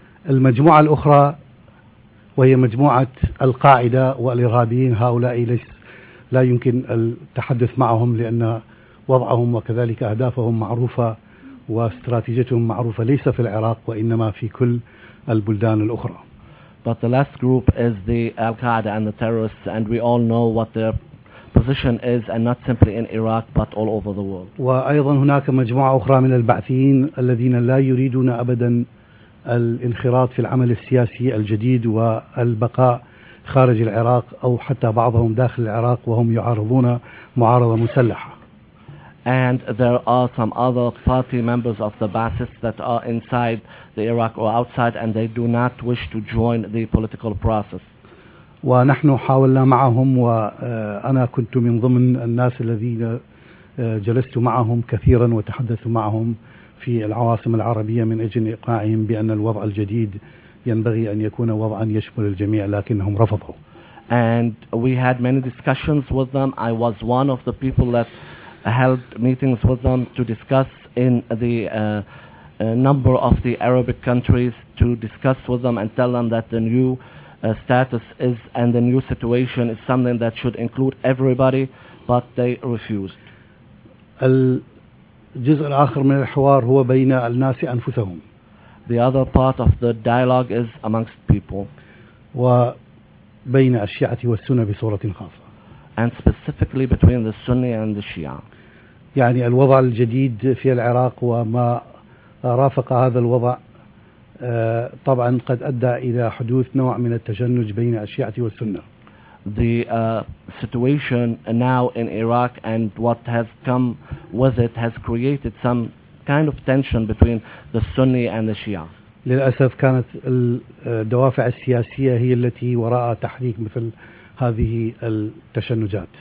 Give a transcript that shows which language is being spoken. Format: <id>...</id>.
<ar>المجموعة الأخرى وهي مجموعة القاعدة والإرهابيين هؤلاء ليس لا يمكن التحدث معهم لأن وضعهم وكذلك أهدافهم معروفة واستراتيجيتهم معروفة ليس في العراق وإنما في كل البلدان الأخرى.</ar> <en>But the last group is the Al-Qaeda and the terrorists, and we all know what their position is, and not simply in Iraq but all over the world.</en> <ar>وأيضا هناك مجموعة أخرى من البعثيين الذين لا يريدون أبدا الانخراط في العمل السياسي الجديد والبقاء خارج العراق أو حتى بعضهم داخل العراق وهم يعارضون معارضة مسلحة.</ar> <en>And there are some other party members of the Baathists that are inside the Iraq or outside, and they do not wish to join the political process.</en> <ar>ونحن حاولنا معهم وأنا كنت من ضمن الناس الذين جلست معهم كثيرا وتحدثت معهم في العواصم العربية من أجل إقناعهم بأن الوضع الجديد ينبغي أن يكون وضعا يشمل الجميع لكنهم رفضوا.</ar> <en>And we had many discussions with them. I was one of the people that held meetings with them to discuss in the number of the Arabic countries to discuss with them and tell them that the new status is and the new situation is something that should include everybody, but they refused.</en> <ar>الجزء الآخر من الحوار هو بين الناس أنفسهم.</ar> <en>The other part of the dialogue is amongst people.</en> <ar>وبين الشيعة والسنة بصورة خاصة.</ar> <en>And specifically between the Sunni and the Shia.</en> <ar>يعني الوضع الجديد في العراق وما رافق هذا الوضع طبعا قد أدى إلى حدوث نوع من التشنج بين الشيعة والسنة.</ar> <en>The situation now in Iraq and what has come with it has created some kind of tension between the Sunni and the Shia.</en> <ar>للأسف كانت الدوافع السياسية هي التي وراء تحريك مثل هذه التشنجات.</ar>